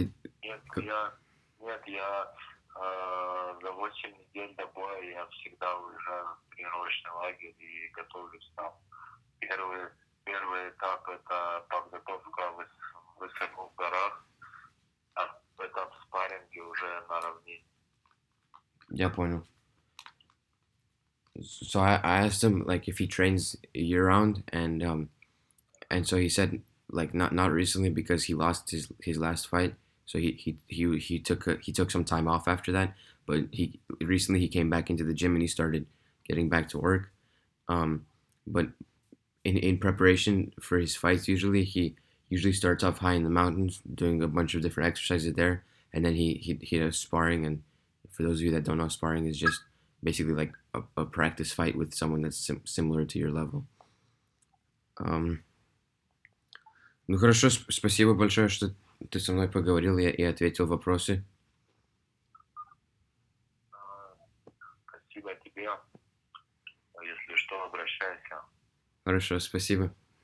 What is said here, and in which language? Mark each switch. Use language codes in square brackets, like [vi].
[ru] Нет, я за 8 недель до боя я всегда уезжаю в тренировочный лагерь и готовлюсь там. Первый этап – это подготовка высоко в горах, а этап спарринги уже на равнине. Я понял. [en] So I asked him, like, if he trains year-round, and so he said, like, not recently, because he lost his last fight. So he took some time off after that, but recently he came back into the gym and he started getting back to work. But in preparation for his fights, usually he usually starts off high in the mountains doing a bunch of different exercises there, and then he does sparring. And for those of you that don't know, sparring is just basically like a practice fight with someone that's similar to your level. [ru] Ну хорошо, спасибо большое, что ты со мной поговорил и ответил вопросы. Спасибо тебе. Если что, обращайся. Хорошо, спасибо.